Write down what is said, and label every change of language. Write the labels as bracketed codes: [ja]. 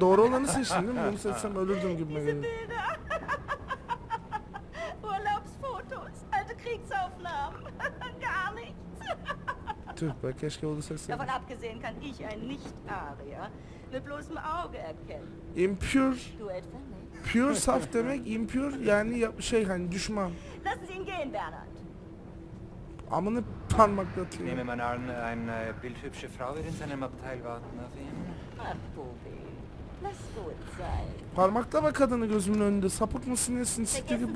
[tr] Doğru olanı seçtim değil mi? Bunu seçsem ölürdüm gibi. [de] Diese Bilder. Urlaubsfotos. Alte Kriegsaufnahmen. Gar nichts. [tr] Tüh be, keşke bunu seçsem. [de] Davon abgesehen kann ich ein Nicht-Arier mit bloßem Auge erkennen. [en] Impure. [de] Du etwa nicht? [tr] Pure saf demek, impure yani şey hani düşman. [de] Lassen Sie ihn gehen, Bernhard. [tr] Amını parmaklatıyor. [de] Nehme man an, ein Bild hübsche Frau wird in seinem Abteil warten auf ihn. Ach Bobby, lass gut sein. [tr] Parmaklama kadını gözümün önünde, sapık mısın nesin? Siktir gibi başlasın.